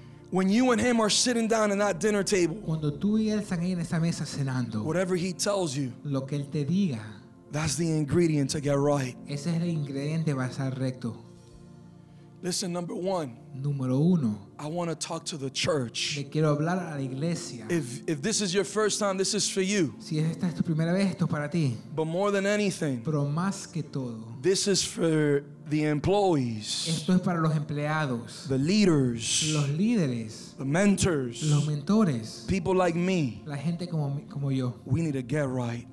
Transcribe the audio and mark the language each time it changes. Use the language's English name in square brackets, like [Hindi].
[English] When you and Him are sitting down in that dinner table, [Spanish] cuando tú y él están ahí en esa mesa cenando, [English] whatever He tells you, [Spanish] lo que él te diga, [English] that's the ingredient to get right. [Spanish] Ese es el ingrediente para estar recto. [English] Listen, number one. [Spanish] Número uno. [English] I want to talk to the church. [Spanish] Le quiero hablar a la iglesia. [English] If this is your first time, this is for you. [Spanish] Si esta es tu primera vez, esto es para ti. [English] But more than anything, [Spanish] pero más que todo, [English] this is for the employees. [Spanish] Esto es para los empleados. [English] The leaders. [Spanish] Los líderes. [English] The mentors. [Spanish] Los mentores. [English] People like me. [Spanish] La gente como yo. [English] We need to get right.